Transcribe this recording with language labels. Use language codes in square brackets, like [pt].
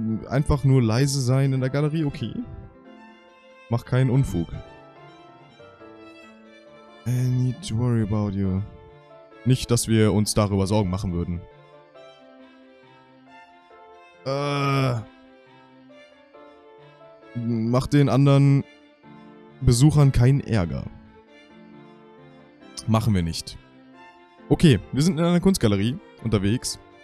[de] Einfach nur leise sein in der Galerie, okay. Mach keinen Unfug. [en] I need to worry about you. [de] Nicht, dass wir uns darüber Sorgen machen würden. Mach den anderen Besuchern keinen Ärger. Machen wir nicht. Okay, wir sind in einer Kunstgalerie unterwegs.